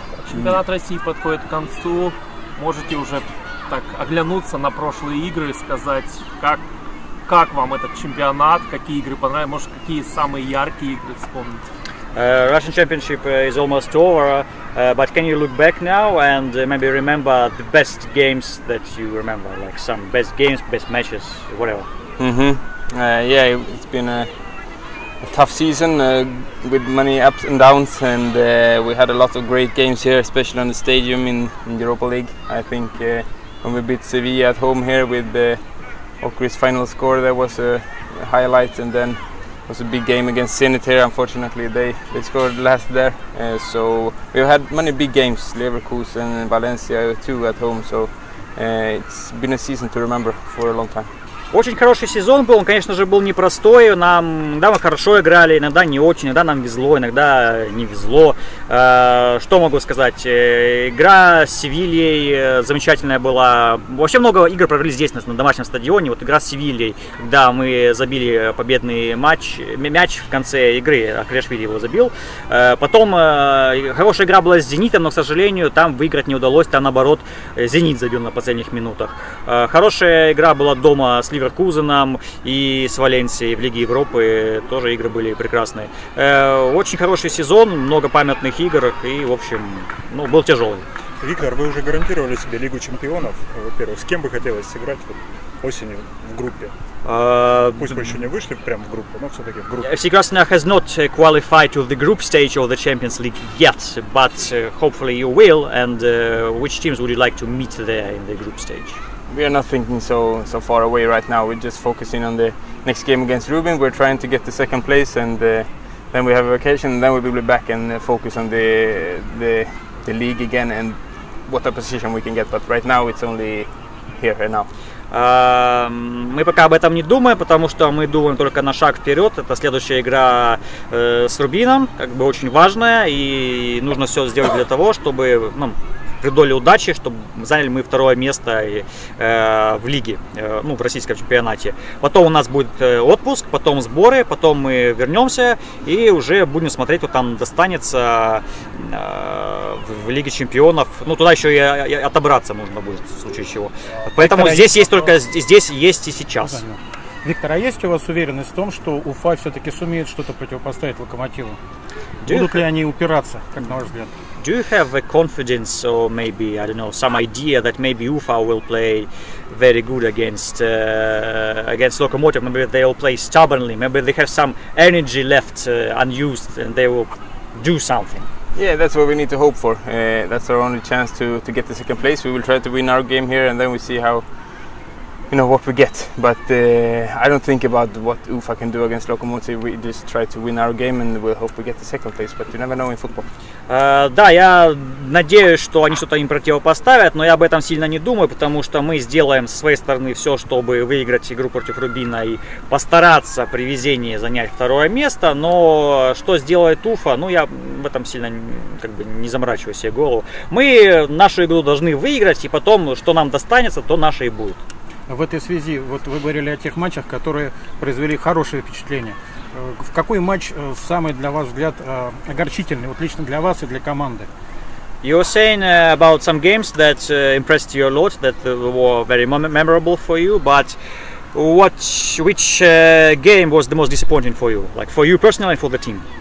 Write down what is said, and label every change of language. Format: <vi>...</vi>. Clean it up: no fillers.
<ru>Чемпионат России подходит к концу. Можете уже так оглянуться на прошлые игры и сказать, как вам этот чемпионат, какие игры понравились, может, какие самые яркие игры вспомните.</ru> <en>Russian Championship is almost over, but can you look back now and maybe remember the best games that you remember, like some best games, best matches, whatever? It's been a tough season with many ups and downs, and we had a lot of great games here, especially on the stadium in Europa League. I think when we beat Sevilla at home here with Okri's final score, that was a highlight, and then it was a big game against Zenit here. Unfortunately, they scored last there. So we had many big games, Leverkusen and Valencia too at home. So it's been a season to remember for a long time.</en> <ru>Очень хороший сезон был, он, конечно же, был непростой, нам, да, мы хорошо играли, иногда не очень, иногда нам везло, иногда не везло. Что могу сказать, игра с Севильей замечательная была, вообще много игр провели здесь, на домашнем стадионе, вот игра с Севильей, когда мы забили победный матч, мяч в конце игры, Акрешвили его забил. Потом хорошая игра была с Зенитом, но, к сожалению, там выиграть не удалось, там, наоборот, Зенит забил на последних минутах. Хорошая игра была дома с Ливеркузеном и с Валенсией в Лиге Европы, тоже игры были прекрасные. Очень хороший сезон, много памятных игр и, в общем, ну, был тяжелый. Виктор, вы уже гарантировали себе Лигу Чемпионов, во-первых, с кем бы хотелось сыграть вот осенью в группе? Пусть мы еще не вышли прямо в группу, но все-таки в группу. Сейчас не</ru> <en>has not qualified to the group stage of the Champions League yet, but hopefully you will, and which teams would you like to meet there in the group stage? We are not thinking so far away right now. We're just focusing on the next game against Rubin. We're trying to get the second place, and then we have a vacation, and then we'll be back and focus on the league again and what a position we can get. But right now it's only here and now.</en> <ru>Мы пока об этом не думаем, потому что мы думаем только на шаг вперед. Это следующая игра с Рубином, как бы очень важная, и нужно все сделать для того, чтобы, ну, при доле удачи, чтобы заняли мы второе место в лиге, ну, в российском чемпионате. Потом у нас будет отпуск, потом сборы, потом мы вернемся и уже будем смотреть, кто там достанется в Лиге чемпионов. Ну, туда еще и отобраться нужно будет в случае чего. Поэтому Виктор, здесь есть вопрос. Только здесь есть и сейчас. Виктор, а есть у вас уверенность в том, что Уфа все-таки сумеет что-то противопоставить Локомотиву? Будут ли они упираться, как на ваш взгляд?</ru> <en>Do you have a confidence or maybe, I don't know, some idea that maybe Ufa will play very good against against Lokomotiv? Maybe they will play stubbornly, maybe they have some energy left unused and they will do something. Yeah, that's what we need to hope for. That's our only chance to get the second place. We will try to win our game here and then we see how, you know, what we get. But I don't think about what Ufa can do against Lokomotiv. We just try to win our game and we'll hope we get the second place. But you never know in football.</en> <ru>Да, я надеюсь, что они что-то им противопоставят, но я об этом сильно не думаю, потому что мы сделаем со своей стороны все, чтобы выиграть игру против Рубина и постараться при везении занять второе место. Но что сделает Уфа, ну, я в этом сильно, как бы, не заморачиваю себе голову. Мы нашу игру должны выиграть, и потом, что нам достанется, то наше и будет. В этой связи, вот вы говорили о тех матчах, которые произвели хорошее впечатление. В какой матч самый для вас взгляд огорчительный, вот лично для вас и для команды?</ru> <en>You were saying about some games that impressed you a lot, that were very memorable for you, but which game was the most disappointing for you, like for you personally and for the team?</en>